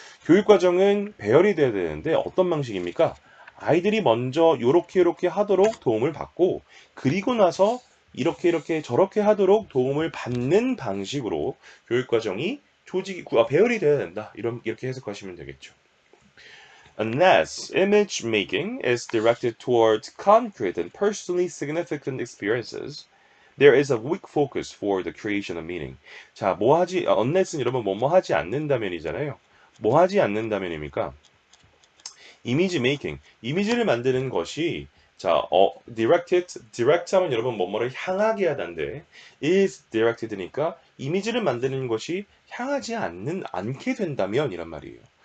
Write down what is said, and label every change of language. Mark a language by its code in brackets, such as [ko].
[ko] 교육 과정은 배열이 돼야 되는데 어떤 방식입니까? 아이들이 먼저 요렇게 요렇게 하도록 도움을 받고 그리고 나서 이렇게 이렇게 저렇게 하도록 도움을 받는 방식으로 교육 과정이 배열이 돼야 된다. 이렇게 해석하시면 되겠죠. [en] Unless image making is directed towards concrete and personally significant experiences, there is a weak focus for the creation of meaning. [ko] 자, 뭐 하지? [en] Unless는 [ko] 여러분 뭐뭐 하지 않는다면이잖아요. 뭐 하지 않는다면입니까? 이미지 메이킹, 이미지를 만드는 것이 자, direct 하면 여러분 뭐뭐를 향하게 하다는데 is directed니까 이미지를 만드는 것이 향하지 않게 된다면 이란 말이에요.